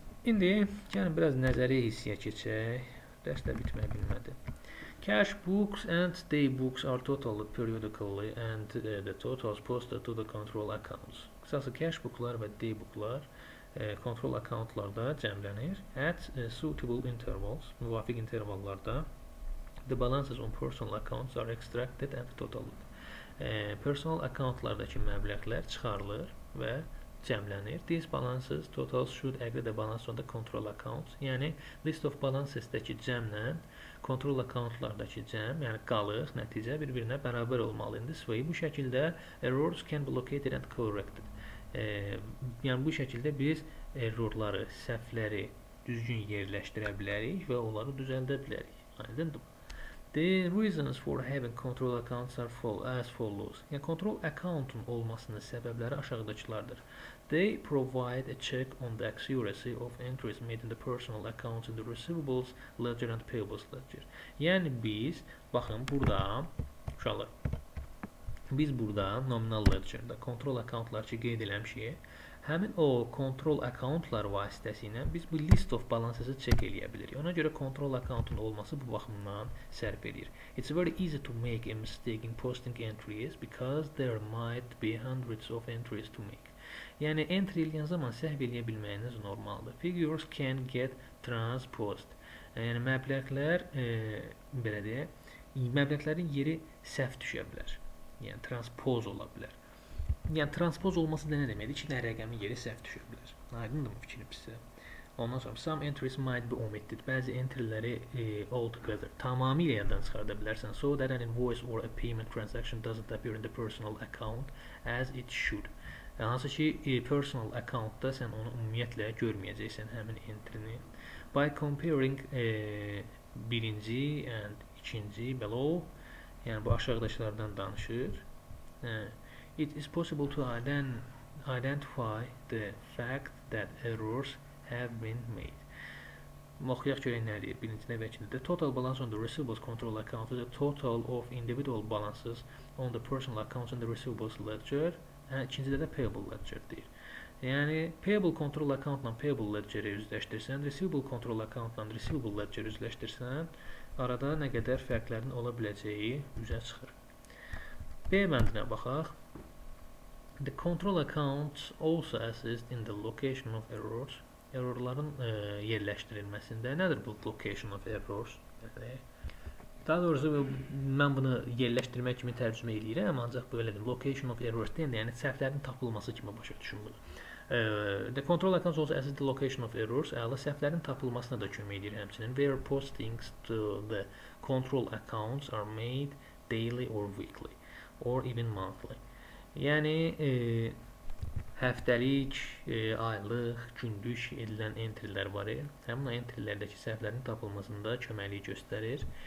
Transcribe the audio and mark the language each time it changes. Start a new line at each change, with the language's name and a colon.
Azerbaijani: İndi gəlin biraz nəzəri hissiyə keçək. Dərs də bitmək bilmədi.
English: Cash books and day books are totaled periodically and the totals posted to the control accounts.
Azerbaijani: Qısası, cash booklar və day booklar control accountlarda cəmlənir.
English: At suitable intervals,
Azerbaijani: müvafiq intervallarda,
English: the balances on personal accounts are extracted and totaled.
Azerbaijani: Personal accountlardakı məbləğlər çıxarılır və cəmlənir.
English: These balances, totals should aggregate the balance on the control accounts.
Azerbaijani: Yəni, list of balancesdəki cəmlə, control accountlardakı cəm, yəni qalıq, nəticə bir-birinə bərabər olmalıdır. Və bu şəkildə
English: errors can be located and corrected.
Azerbaijani: Yəni bu şəkildə biz errorları, səhvləri düzgün yerləşdirə bilərik və onları düzəldə bilərik. Aydındır.
English: The reasons for having control accounts are as follows.
Azerbaijani: Yəni control accountun olmasının səbəbləri aşağıdakılardır.
English: They provide a check on the accuracy of entries made in the personal accounts in the receivables ledger and payables ledger.
Azerbaijani: Yəni biz baxın burada uşaqlar. Biz burada nominal ledger-də control accountlar ki qeyd eləmişik. Həmin o control accountlar vasitəsilə biz bu list of balances-ı çək eləyə bilirik. Ona görə control accountun olması bu baxımdan sərf edir.
English: It's very easy to make a mistake in posting entries because there might be hundreds of entries to make.
Azerbaijani: Yəni, entry eləyən zaman səhv eləyə bilməyiniz normaldır.
English: Figures can get transposed.
Azerbaijani: Yəni, məbləqlər, belə deyək, məbləqlərin yeri səhv düşə bilər. Yəni, transpose ola bilər. Yəni, transpose olması da nə deməkdir ki, nə rəqəmin yeri səhv düşə bilər. Aydındır mı fikrim sizə? Ondan sonra,
English: some entries might be omitted.
Azerbaijani: Bəzi entry-ləri
English: altogether,
Azerbaijani: tamamilə yaddan çıxarda bilərsən.
English: So that an invoice or a payment transaction doesn't appear in the personal account as it should.
Azerbaijani: Hansı ki, personal account-da sən onu ümumiyyətlə görməyəcəksən həmin entry-ni.
English: By comparing
Azerbaijani: birinci and ikinci
English: below,
Azerbaijani: yəni bu aşağıdakılardan danışır.
English: It is possible to identify the fact that errors have been made.
Azerbaijani: Oxuyaq görək nə deyir birincidə və ikincidə.
English: The total balance on the receivables control account is the total of individual balances on the personal accounts and the receivables ledger.
Azerbaijani: İkincidə də payable ledger deyir. Yəni, payable control account ilə payable ledger-i üzləşdirsən, receivable control account ilə receivable ledger-i üzləşdirsən, arada nə qədər fərqlərin ola biləcəyi üzə çıxır. B bəndinə baxaq.
English: The control account also assists in the location of errors.
Azerbaijani: Errorların yerləşdirilməsində. Nədir bu
English: location of errors?
Azerbaijani: Daha doğrusu, mən bunu yerləşdirmək kimi tərcümə edirəm, ancaq belədir. Location of errors deyəndə, yəni səhvlərin tapılması kimi başa düşün bunu.
English: The control account also assists the location of errors.
Azerbaijani: Əla, səhvlərin tapılmasına da kömək edir həmçinin.
English: Where postings to the control accounts are made daily or weekly. or even monthly.
Azerbaijani: Yəni həftəlik, aylıq, gündüş edilən entrylər var. Həmin o entrylərdəki səhvlərin tapılmasında köməkliyi göstərir.